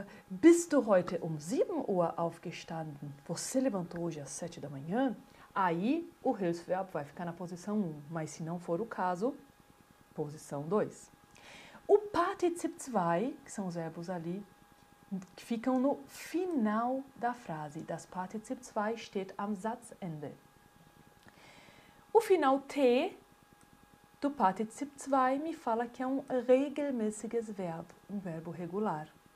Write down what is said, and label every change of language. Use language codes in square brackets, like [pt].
[de] Bist du heute 7 Uhr aufgestanden? [pt] Você levantou hoje às 7 da manhã? Aí o Hilfsverb vai ficar na posição 1. Mas se não for o caso, posição 2. O Partizip 2, que são os verbos ali, que ficam no final da frase. [de] Das Partizip 2 steht am Satzende. [pt] O final T do Partizip 2 me fala que é um [de] regelmäßiges Verb, [pt] um verbo regular.